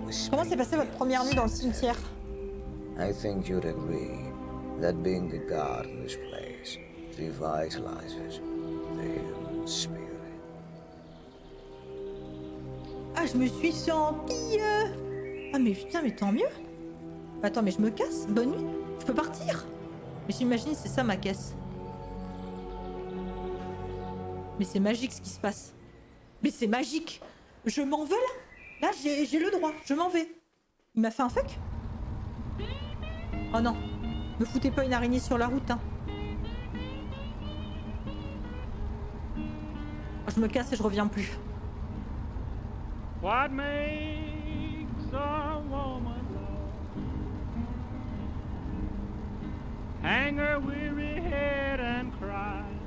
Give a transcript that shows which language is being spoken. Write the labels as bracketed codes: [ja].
[fr] Comment s'est passée votre première nuit dans le cimetière? [en] I think you'd agree that being the guard in this place revitalizes the human spirit. [fr] Ah, je me suis sentie... Ah mais putain, mais tant mieux. Attends, mais je me casse. Bonne nuit. Je peux partir. Mais j'imagine c'est ça ma caisse. Mais c'est magique ce qui se passe. Mais c'est magique. Je m'en veux là. Là, j'ai le droit. Je m'en vais. Il m'a fait un fuck. Oh non, me foutez pas une araignée sur la route, hein. Oh, je me casse et je reviens plus. [en] What makes a woman hang her weary head and cry?